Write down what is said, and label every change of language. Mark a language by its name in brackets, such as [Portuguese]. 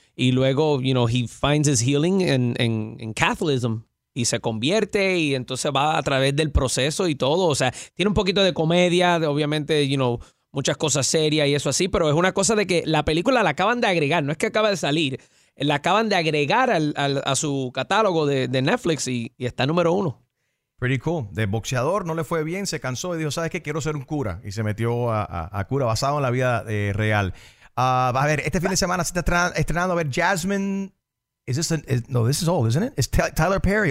[Spanish] Y luego, [English] you know, he finds his healing in Catholicism. [Spanish] Y se convierte y entonces va a través del proceso y todo. O sea, tiene un poquito de comedia, de, obviamente, [English] you know, [Spanish] muchas cosas serias y eso así. Pero es una cosa de que la película la acaban de agregar. No es que acaba de salir. La acaban de agregar a su catálogo de Netflix y está número uno. [English] Pretty cool. [Spanish] De boxeador, no le fue bien, se cansó y dijo, ¿sabes qué? Quiero ser un cura. Y se metió a cura basado en la vida real. A ver, este fin de semana se está estrenando, a ver, Jasmine... [English] this is old, isn't it? It's Tyler Perry.